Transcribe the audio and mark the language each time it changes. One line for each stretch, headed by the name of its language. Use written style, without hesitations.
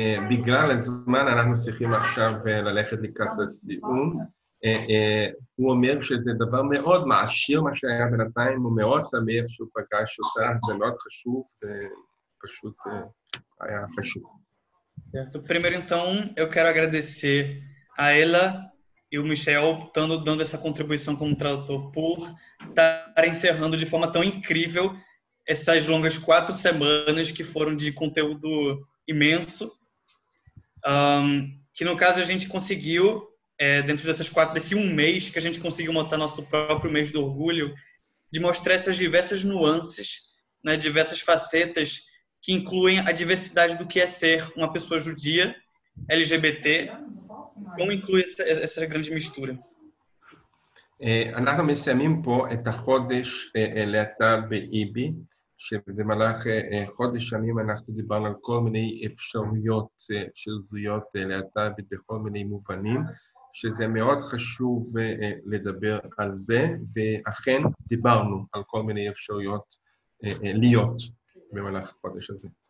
Hebrew: בגלל הזמן אנחנו צריכים עכשיו ללכת לקראת הסיום. הוא אומר שזה דבר מאוד מעשיר מה שהיה בינתיים, הוא מאוד שמח שהוא פגש אותה, זה מאוד חשוב, פשוט היה חשוב.
Portuguese: Certo. Primeiro então, eu quero agradecer a ela e o Michel optando, dando essa contribuição como tradutor por estar encerrando de forma tão incrível essas longas 4 semanas que foram de conteúdo imenso, que no caso a gente conseguiu, dentro dessas 4, desse um mês que a gente conseguiu montar nosso próprio mês do orgulho, de mostrar essas diversas nuances, né, diversas facetas que incluem a diversidade do que é ser uma pessoa judia, LGBT, como inclui essa grande mistura. Anarra Messiamim Po Etachodesh Eletab Ibi
Hebrew: שבמהלך חודש שנים אנחנו דיברנו על כל מיני אפשרויות של זויות להט"בית בכל מיני מובנים, שזה מאוד חשוב לדבר על זה, ואכן דיברנו על כל מיני אפשרויות להיות במהלך החודש הזה.